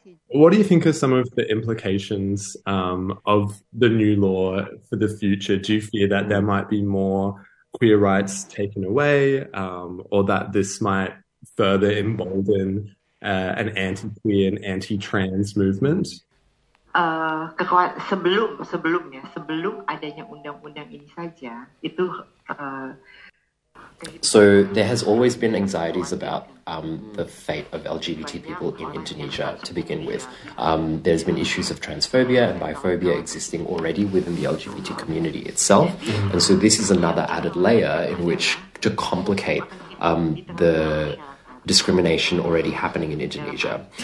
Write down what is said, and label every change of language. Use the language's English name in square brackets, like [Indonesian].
[English] What do you think are some of the implications of the new law for the future? Do you fear that there might be more queer rights taken away, or that this might further embolden an anti-queer and anti-trans movement? [Indonesian] Sebelum adanya undang-undang ini saja, itu. [English] So there has always been anxieties about the fate of LGBT people in Indonesia to begin with. There's been issues of transphobia and biphobia existing already within the LGBT community itself. And so this is another added layer in which to complicate the discrimination already happening in Indonesia.